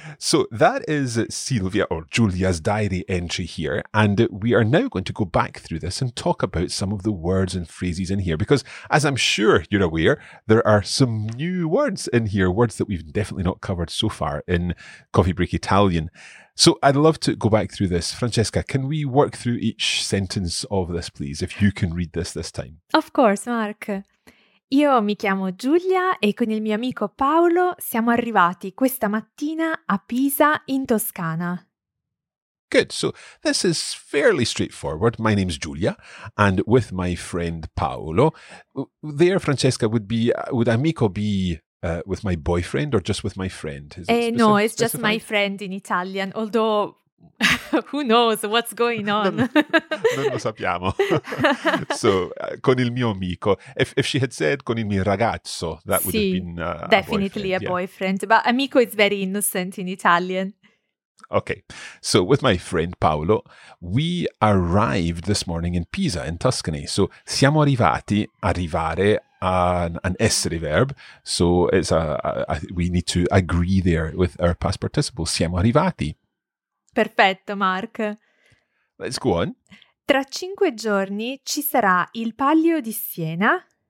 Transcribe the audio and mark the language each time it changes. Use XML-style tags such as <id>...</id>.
<en>So that is Silvia or Giulia's diary entry here, and we are now going to go back through this and talk about some of the words and phrases in here, because as I'm sure you're aware, there are some new words in here, words that we've definitely not covered so far in Coffee Break Italian. So I'd love to go back through this. Francesca, can we work through each sentence of this, please, if you can read this time? Of course, Mark.</en> <it>Io mi chiamo Giulia e con il mio amico Paolo siamo arrivati questa mattina a Pisa in Toscana.</it> <en>Good. So this is fairly straightforward. My name's Giulia and with my friend Paolo. There, Francesca, would amico be with my boyfriend or just with my friend? No, it's specified? Just my friend in Italian, although who knows what's going on?</en> <it>Non lo sappiamo. So, con il mio amico.</it> <en>If she had said</en> <it>con il mio ragazzo,</it> <en>that would have been definitely a boyfriend. But amico is very innocent in Italian. Okay. So, with my friend Paolo, we arrived this morning in Pisa, in Tuscany. So,</en> <it>siamo arrivati,</it> <en>arrivare, an essere verb. So, it's we need to agree there with our past participle.</en> <it>Siamo arrivati. Perfetto, Mark.</it> <en>Let's go on.</en> <it>Tra 5 giorni ci sarà il Palio di Siena.</it>